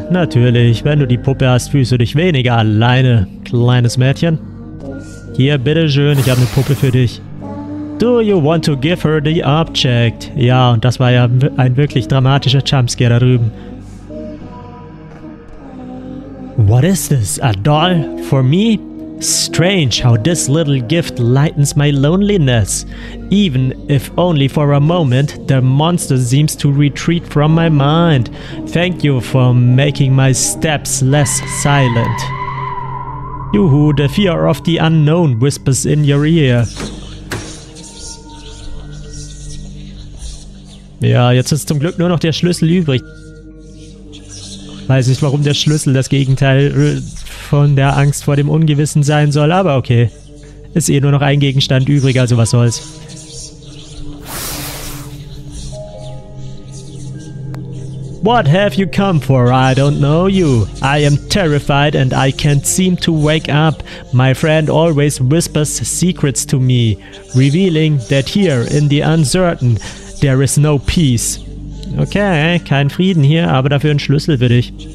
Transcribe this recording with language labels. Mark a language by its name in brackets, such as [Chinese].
[German] Natürlich, wenn du die Puppe hast, fühlst du dich weniger alleine, kleines Mädchen. Hier, bitteschön, ich habe eine Puppe für dich. [English] Do you want to give her the object? [German] Ja, und das war ja ein wirklich dramatischer Jumpscare da drüben. [English] What is this? A doll? For me? Strange how this little gift lightens my loneliness. Even if only for a moment, the monster seems to retreat from my mind. Thank you for making my steps less silent. Juhu, the fear of the unknown whispers in your ear. [German] Ja, jetzt ist zum Glück nur noch der Schlüssel übrig. Weiß nicht, warum der Schlüssel das Gegenteil von der Angst vor dem Ungewissen sein soll, aber okay. Ist eh nur noch ein Gegenstand übrig, also was soll's. [English] What have you come for? I don't know you. I am terrified and I can't seem to wake up. My friend always whispers secrets to me, revealing that here in the uncertain, there is no peace. [German] Okay, kein Frieden hier, aber dafür einen Schlüssel für dich.